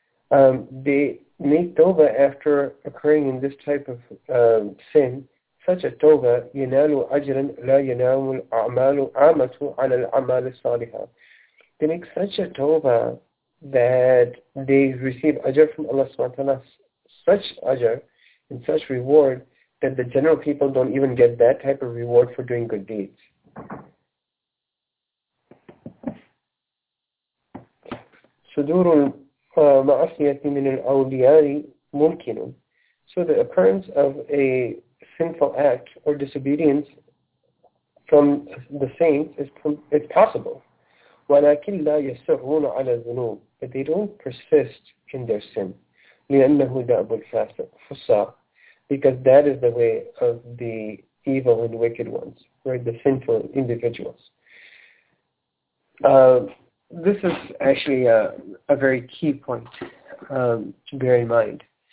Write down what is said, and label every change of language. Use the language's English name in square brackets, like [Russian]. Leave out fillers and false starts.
[English] They make tawbah after occurring in this type of sin, such a tawbah, [Arabic] ينالوا أجرا لا ينال الأعمال عامة على الأعمال الصالحة. [English] They make such a tawbah that they receive ajr from Allah subhanahu wa ta'ala, such ajr and such reward that the general people don't even get that type of reward for doing good deeds. [Arabic] صدور المعصية من الأولياء ممكن. [English] So the occurrence of a sinful act or disobedience from the saints is possible. [Arabic] ولكن لا يصرون على الذنوب. [English] But they don't persist in their sin. [Arabic] لأنه دأب الفساق. [English] Because that is the way of the evil and wicked ones, right? The sinful individuals. This is actually a very key point to bear in mind.